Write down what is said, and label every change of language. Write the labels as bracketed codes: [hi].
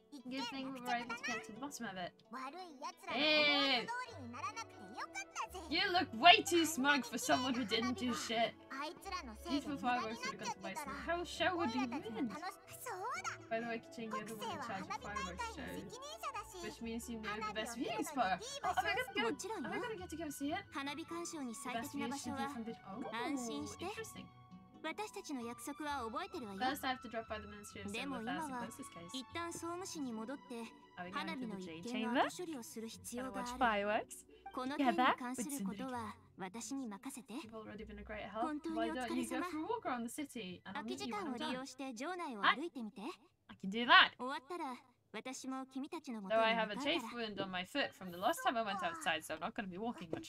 [en] Good thing we're able to get to the bottom of it. [ja] 悪い奴らの思い通りにならなくてよかったぜ。 [en] You look way too smug for someone who didn't do shit. If the fireworks would have got the place, the whole show would be ruined. By the way, Kachin, you're the one in charge of the fireworks show. Which means you know the best views for us. Oh, am I gonna get to go see it? The best view should be from the... Oh, interesting. [ja] 私たちの約束は覚えてるわよ。でも今は一旦総務省に戻って花火の一件の後処理をする必要がある。この件に関することは私に任せて。本当にお疲れ様。空き時間を利用して城内を歩いてみて。終わったら私も君たちの元に向かうから。 [en] Though I have a chafe wound on my foot from the last time I went outside, so I'm not going to be walking much.